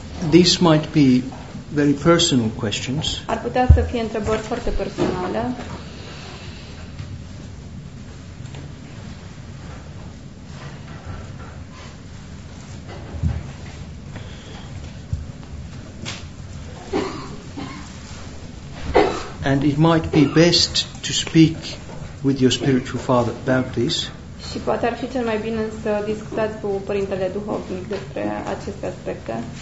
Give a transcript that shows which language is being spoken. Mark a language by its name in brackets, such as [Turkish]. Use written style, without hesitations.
[English] These might be very personal questions. [Romanian] Ar putea să fie întrebări foarte personale. [English] And it might be best to speak with your spiritual father about this. [Romanian] Și poate ar fi cel mai bine să discutați cu părintele duhovnic despre aceste aspecte.